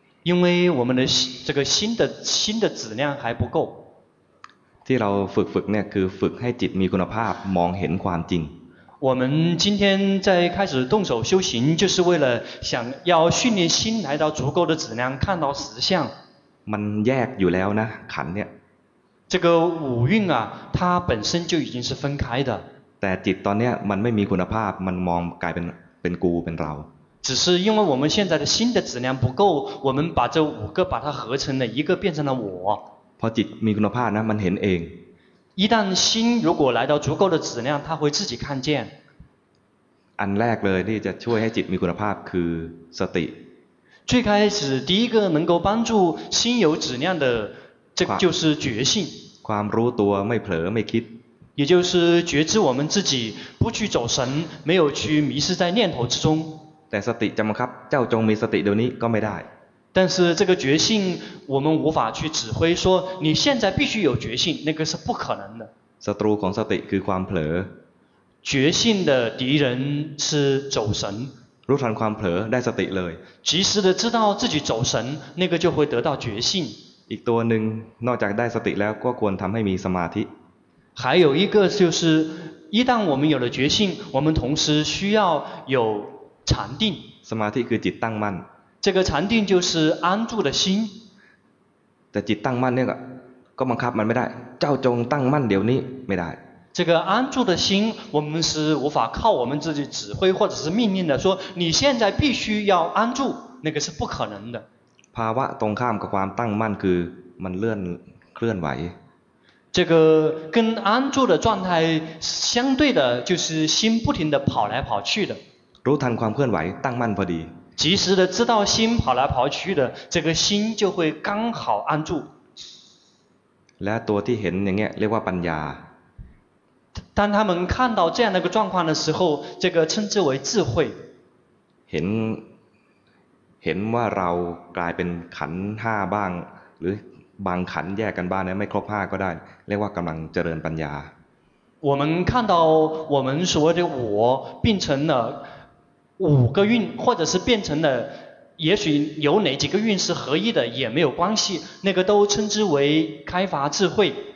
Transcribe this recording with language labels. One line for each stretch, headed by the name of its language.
Chinese: 因为我们的这个心的质量还不够
Thai: ที่เราฝึกเนี่ยคือฝึกให้จิตมีคุณภาพมองเห็นความจริง
Chinese: 我们今天在开始动手修行就是为了想要训练心来到足够的质量看到实相
Thai: มันแยกอยู่แล้วนะขันเนี่ย
Chinese: 这个五蕴啊它本身就已经是分开的
Thai: แต่จิตตอนเนี้ยมันไม่มีคุณภาพมันมองกลายเป็นกูเป็นเรา
Chinese: 只是因为我们现在的心的质量不够我们把这五个把它合成了一个变成了我
Thai: พอจิตมีคุณภาพนะมันเห็นเอง
Chinese: 一旦心如果来到足够的质量它会自己看见
Thai: อันแรกเลยที่จะช่วยให้จิตมีคุณภาพคือสติ
Chinese: 最开始第一个能够帮助心有质量的这就是觉性
Thai: ความรู้ตัวไม่เผลอไม่คิด
Chinese: 也就是觉知我们自己不去走神没有去迷失在念头之中
Thai: แต่สติจะบังคับเจ้าจงมีสติเดี๋ยวนี้ก็ไม่ได้
Chinese: 但是这个觉性我们无法去指挥说你现在必须有觉性那个是不可能的
Thai: ศัตรูของสติคือความเผล
Chinese: อ觉性的敌人是走神
Thai: รู้ทันความเผลอได้สติเลย
Chinese: 及时的知道自己走神那个就会得到觉性
Thai: อีกตัวหนึ่งนอกจากได้สติแล้วก็ควรทำให้มีสมาธิ
Chinese: 还有一个就是一旦我们有了觉性我们同时需要有禅定
Thai: สมาธิคือจิตตั้งมั่น
Chinese: 这个禅定就是安住的心
Thai: แต่จิตตั้งมั่นเนี่ยก็บังคับมันไม่ได้เจ้าจงตั้งมั่นเดี๋ยวนี้ไม่ได้
Chinese: 这个安住的心我们是无法靠我们自己指挥或者是命令的说你现在必须要安住那个是不可能的
Thai: ภาวะตรงข้ามกับความตั้งมั่นคือมันเคลื่อนไหว
Chinese: 这个跟安住的状态相对的就是心不停地跑来跑去的
Thai: รู้ทันความเคลื่อนไหวตั้งมั่นพอดี
Chinese: 及时的知道心跑来跑去的这个心就会刚好安住
Thai: และตัวที่เห็นอย่างเงี้ยเรียกว่าปัญญา
Chinese: 当他们看到这样的一个状况的时候这个称之为智慧
Thai: เห็นว่าเรากลายเป็นขันห้าบ้างหรือบางขันแยกกันบ้างเนี่ยไม่ครบห้าก็ได้เรียกว่ากำลังเจริญปัญญา
Chinese: 我们看到我们所谓的我变成了五个运或者是变成了也许有哪几个运是合一的也没有关系那个都称之为开发智慧